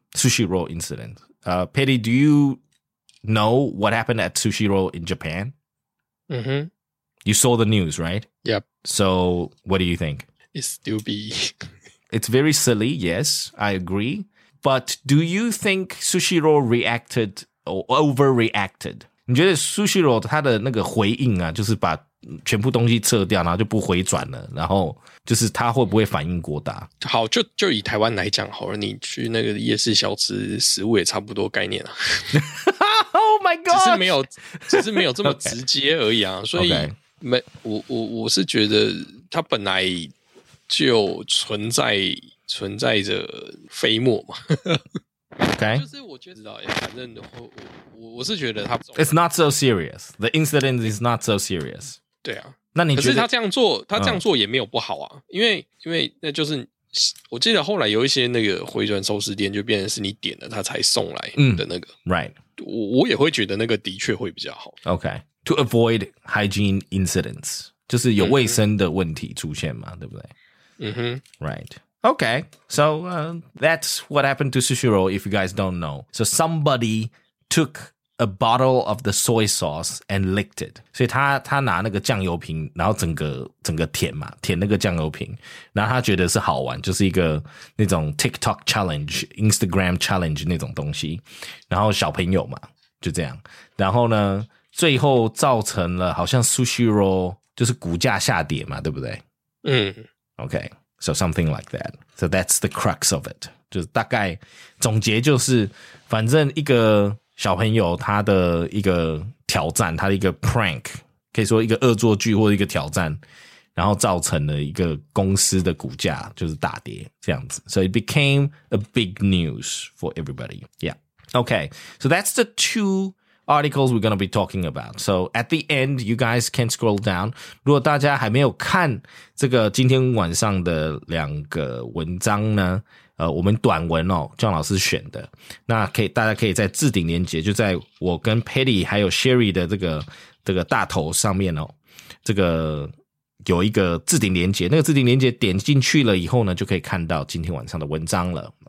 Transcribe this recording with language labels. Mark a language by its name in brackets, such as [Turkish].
[English] Sushiro incident. Patty, do you know what happened at Sushiro in Japan? Mm-hmm. You saw the news, right? Yep. So what do you think? It's stupid. It's very silly, yes, I agree. But do you think Sushiro reacted or overreacted? [Chinese] 你觉得 Sushiro 他的那个回应啊，就是把全部东西撤掉，然后就不回转了，然后就是他会不会反应过大？好，就以台湾来讲好了，你去那个夜市小吃，食物也差不多概念啊。 [English] Oh my god！ [Chinese] 只是没有这么直接而已啊。 [English] Okay. [Chinese] 所以、 [English] okay. [Chinese] 我是觉得他本来就存在着飞沫嘛 [English] ？OK， [Chinese] 就是我觉得知道，反正我是觉得他 [English] ，It's not so serious. The incident is not so serious. [Chinese] 对啊，那你觉得可是他这样做也没有不好啊，因为那就是我记得后来有一些那个回转寿司店就变成是你点了他才送来的那个、 [English] 嗯、，Right？ [Chinese] 我也会觉得那个的确会比较好。 [English] OK， to avoid hygiene incidents. [Chinese] 就是有卫生的问题出现嘛，对不对？嗯哼。 [English] Right. Okay. So, that's what happened to Sushiro, if you guys don't know. So, somebody took a bottle of the soy sauce and licked it. [Chinese] 所以他拿那个酱油瓶，然后整个舔嘛，舔那个酱油瓶，然后他觉得是好玩，就是一个那种 TikTok challenge, Instagram challenge 那种东西，然后小朋友嘛，就这样。然后呢，最后造成了好像 Sushiro 就是股价下跌嘛，对不对？嗯。 [English] Okay, so something like that. So that's the crux of it. [Chinese] 就是大概总结就是，反正一个小朋友他的一个挑战，他的一个 prank, 可以说一个恶作剧或一个挑战，然后造成了一个公司的股价就是大跌这样子。 [English] So it became a big news for everybody. Yeah. Okay. So that's the two articles we're going to be talking about. So at the end, you guys can scroll down. [Chinese] 如果大家还没有看这个今天晚上的两个文章呢，我们短文哦，姜老师选的，那可以大家可以在置顶连结，就在我跟 Patty 还有 Sherry 的这个大头上面哦，这个有一个置顶连结，那个置顶连结点进去了以后呢，就可以看到今天晚上的文章了。